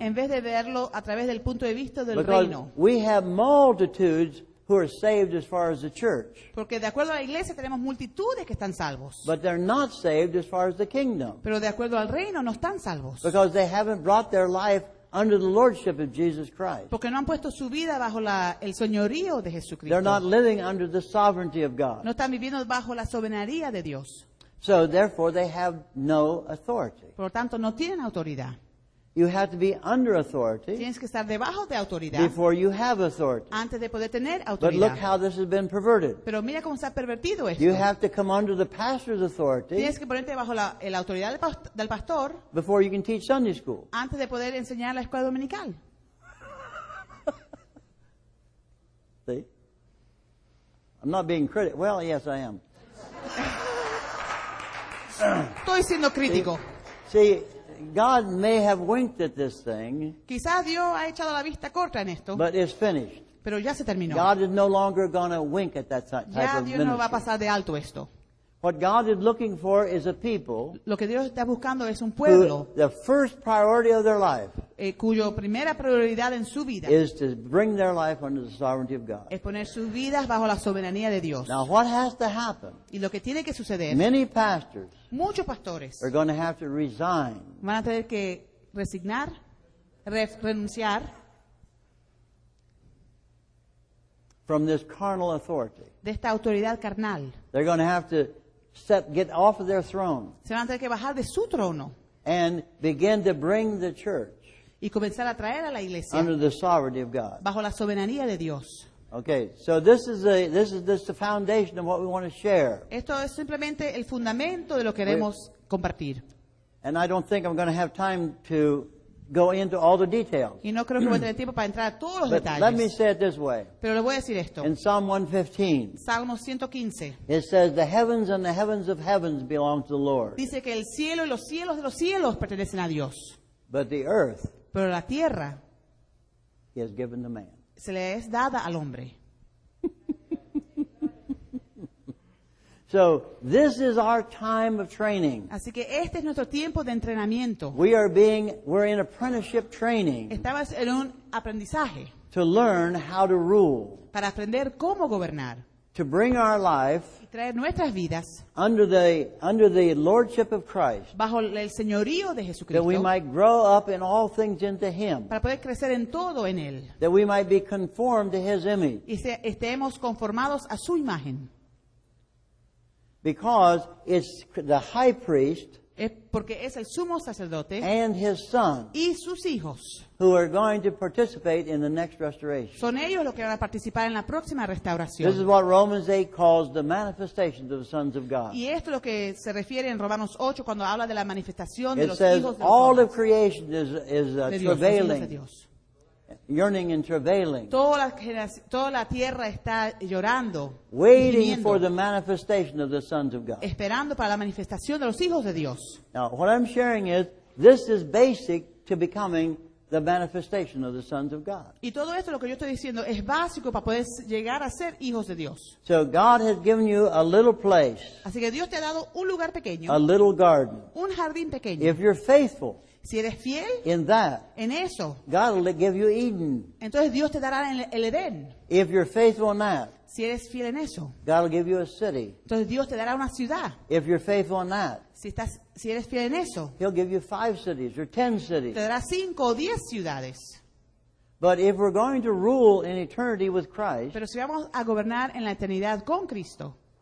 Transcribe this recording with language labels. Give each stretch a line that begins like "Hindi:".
Spanish: En vez de verlo a través del punto de vista del
English: because
Spanish: reino.
English: We have multitudes who are saved as far as the church.
Spanish: Porque de acuerdo a la iglesia tenemos multitudes que están salvos.
English: But they're not saved as far as the kingdom.
Spanish: Pero de acuerdo al reino no están salvos.
English: Because they haven't brought their life under the lordship of Jesus Christ.
Spanish: Porque no han puesto su vida bajo la, el señorío de Jesucristo.
English: They're not living under the sovereignty of God.
Spanish: No están viviendo bajo la soberanía de Dios.
English: So therefore they have no authority.
Spanish: Por lo tanto, no tienen autoridad.
English: You have to be under authority.
Spanish: Tienes que estar debajo de autoridad.
English: Before you have authority.
Spanish: Antes de poder tener autoridad.
English: But look how this has been perverted.
Spanish: Pero mira cómo se ha pervertido esto.
English: You have to come under the pastor's authority.
Spanish: Tienes que ponerte bajo la autoridad del pastor.
English: Before you can teach Sunday school.
Spanish: Antes de poder enseñar la escuela dominical.
English: See? I'm not being critical. Well, yes, I am.
Spanish: Estoy siendo crítico.
English: See, God may have winked at this thing.
Spanish: Quizás Dios ha echado la vista corta en esto.
English: But it's finished.
Spanish: Pero ya se terminó.
English: God is no longer going to wink at that type
Spanish: ya
English: of
Spanish: Dios
English: ministry.
Spanish: No va a pasar de alto esto.
English: What God is looking for is a people.
Spanish: Lo que Dios está buscando es un pueblo.
English: Who, the first priority of their life.
Spanish: Cuyo primera prioridad en su vida.
English: Is to bring their life under the sovereignty of God.
Spanish: Es poner sus vidas bajo la soberanía de Dios.
English: Now what has to happen?
Spanish: Y lo que tiene que suceder.
English: Many pastors.
Spanish: Muchos pastores.
English: Are going to have to resign.
Spanish: Van a tener que resignar, renunciar.
English: From this carnal authority.
Spanish: De esta autoridad carnal.
English: They're going to have to get off of their throne.
Spanish: Se van a tener que bajar de su trono.
English: And begin to bring the church.
Spanish: Y comenzar a traer a la iglesia.
English: Under the sovereignty of God.
Spanish: Bajo la soberanía de Dios.
English: Okay, so this is the foundation of what we want to share.
Spanish: Esto es simplemente el fundamento de lo que queremos compartir.
English: And I don't think I'm going to have time to go into all the details.
Spanish: Y no creo que voy a tener tiempo para entrar a todos los
English: but
Spanish: detalles.
English: Let me say it this way.
Spanish: Pero le voy a decir esto.
English: In Psalm 115.
Spanish: Salmo 115.
English: It says the heavens and the heavens of heavens belong to the Lord.
Spanish: Dice que el cielo y los cielos de los cielos pertenecen a Dios.
English: But the earth.
Spanish: Pero la tierra.
English: He has given to man.
Spanish: Se le es dada al hombre.
English: So this is our time of training.
Spanish: Así que este es nuestro tiempo de entrenamiento.
English: We're in apprenticeship training.
Spanish: Estamos en un aprendizaje.
English: To learn how to rule.
Spanish: Para aprender cómo gobernar.
English: to bring our life
Spanish: y traer nuestras vidas
English: under the lordship of Christ,
Spanish: bajo el señorío de Jesucristo,
English: that we might grow up in all things into Him,
Spanish: para poder crecer en todo en Él,
English: that we might be conformed to His image,
Spanish: y estemos conformados a su imagen.
English: Because it's the high priest
Spanish: porque es el sumo sacerdote
English: and his son
Spanish: y sus hijos
English: who are going to participate in the next restoration.
Spanish: Son ellos los que van a participar en la próxima restauración.
English: This is what Romans 8 calls the manifestations of the sons of God.
Spanish: Y esto es lo que se refiere en Romanos 8 cuando habla de la manifestación
English: it
Spanish: de los
English: says,
Spanish: hijos de Dios.
English: All of creation is travailing, yearning and travailing.
Spanish: Toda la tierra está llorando,
English: waiting for the manifestation of the sons of God.
Spanish: Esperando para la manifestación de los hijos de Dios.
English: Now, what I'm sharing is this is basic to becoming the manifestation of the sons of God.
Spanish: Y todo esto lo que yo estoy diciendo es básico para poder llegar a ser hijos de Dios.
English: So God has given you a little place.
Spanish: Así que Dios te ha dado un lugar pequeño.
English: A little garden.
Spanish: Un jardín pequeño.
English: If you're faithful,
Spanish: si eres fiel,
English: in that,
Spanish: en eso,
English: God will give you Eden.
Spanish: Entonces Dios te dará el Edén.
English: If you're faithful in that,
Spanish: si eres fiel en eso,
English: God will give you a city.
Spanish: Entonces Dios te dará una ciudad.
English: If you're faithful in that,
Spanish: si eres fiel en eso,
English: He'll give you 5 cities or 10 cities.
Spanish: Te dará 5 o 10 ciudades.
English: But if we're going to rule in eternity with Christ,
Spanish: pero si vamos a gobernar en la eternidad con Cristo,